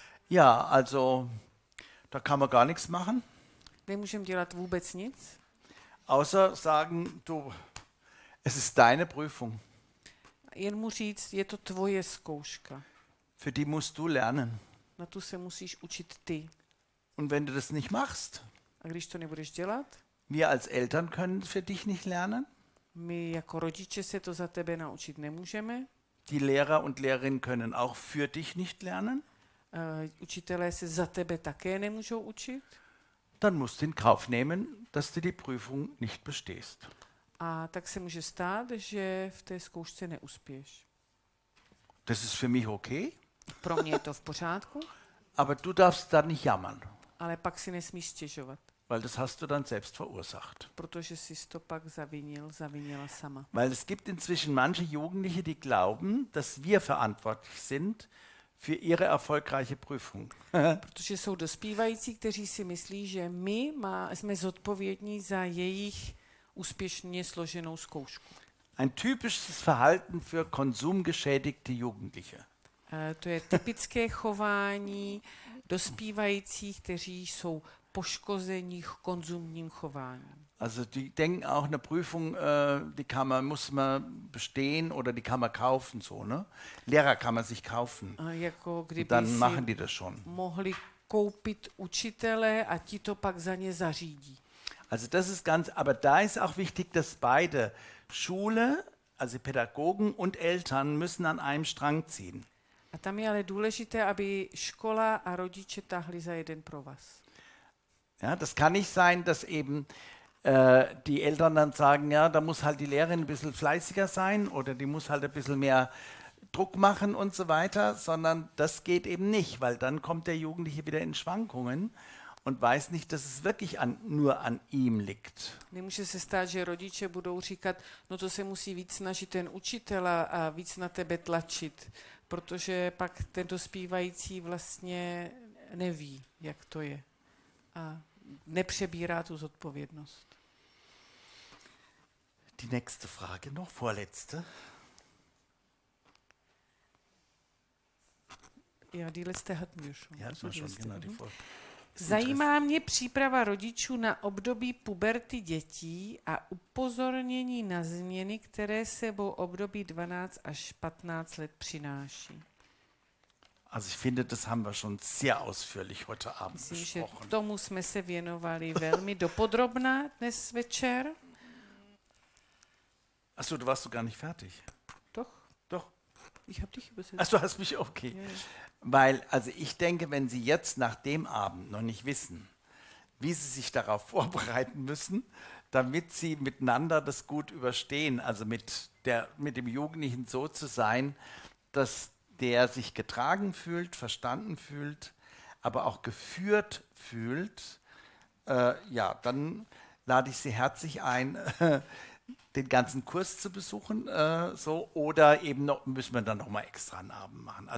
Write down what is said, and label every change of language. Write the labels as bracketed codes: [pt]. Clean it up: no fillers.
[de] Ja, also da kann man gar nichts machen. [cs] Nemůžem dělat vůbec nic. [de] Außer sagen, du, es ist deine Prüfung. [cs] Jen mu říct, je to tvoje zkouška. [de] Für die musst du lernen. [cs] Na tu se musíš učit ty. [de] Und wenn du das nicht machst? [cs] A když to nebudeš dělat? [de] Wir als Eltern können für dich nicht lernen? [cs] My jako rodiče se to za tebe naučit nemůžeme? [de] Die Lehrer und Lehrerinnen können auch für dich nicht lernen? [cs] Učitelé se za tebe také nemůžou učit? [de] Dann musst du in Kauf nehmen, dass du die Prüfung nicht bestehst. [cs] A tak se může stát, že v té zkoušce neuspěješ. [de] Das ist für mich okay. [cs] Pro mě je to v pořádku. [de] Aber du darfst da nicht jammern. [cs] Ale pak si nesmíš stěžovat. [de] Weil das hast du dann selbst verursacht. [cs] Protože jsi to pak zavinil, zavinila sama. [de] Weil es gibt inzwischen manche Jugendliche, die glauben, dass wir verantwortlich sind für ihre erfolgreiche Prüfung. [cs] Protože jsou dospívající, kteří si myslí, že my jsme zodpovědní za jejich úspěšně složenou zkoušku. [de] Ein typisches Verhalten für konsumgeschädigte Jugendliche. [cs] To je typické chování dospívajících, kteří jsou poškození konzumním chováním. [de] Also die denken auch eine Prüfung, die kann man, muss man bestehen oder die kann man kaufen, so, ne? Lehrer kann man sich kaufen. [cs] Jako kdyby [de] dann machen die das schon. [cs] Mohli koupit učitele a ti to pak za ně zařídí. [de] Also das ist ganz, aber da ist auch wichtig, dass beide Schule, also Pädagogen und Eltern müssen an einem Strang ziehen. [cs] A tam je ale důležité, aby škola a rodiče tahli za jeden provaz. [de] Ja, das kann nicht sein, dass eben die Eltern dann sagen, ja, da muss halt die Lehrerin ein bisschen fleißiger sein oder die muss halt ein bisschen mehr Druck machen und so weiter, sondern das geht eben nicht, weil dann kommt der Jugendliche wieder in Schwankungen und weiß nicht, dass es wirklich an, nur an ihm liegt. [cs] Nemůže se stát, že rodiče budou říkat, no to se musí víc snažit ten učitel a víc na tebe tlačit, protože pak ten dospívající vlastně neví, jak to je. A nepřebírá tu zodpovědnost. [de] Die nächste Frage noch, vorletzte. Ja, die letzte hatten wir schon. Ja, so schon, genau, die [cs] Zajímá mě příprava rodičů na období puberty dětí a upozornění na změny, které sebou období 12 až 15 let přináší. [de] Also ich finde, das haben wir schon sehr ausführlich heute Abend besprochen. [cs] K tomu jsme se věnovali velmi dopodrobna dnes večer. [de] Ach so, du warst sogar nicht fertig. Doch. Doch. Ich habe dich übersetzt. Ach, du hast mich, okay. Ja. Weil, also ich denke, wenn Sie jetzt nach dem Abend noch nicht wissen, wie Sie sich darauf vorbereiten müssen, damit Sie miteinander das gut überstehen, also mit dem Jugendlichen so zu sein, dass der sich getragen fühlt, verstanden fühlt, aber auch geführt fühlt, ja, dann lade ich Sie herzlich ein, den ganzen Kurs zu besuchen, so, oder eben noch, müssen wir dann nochmal extra einen Abend machen.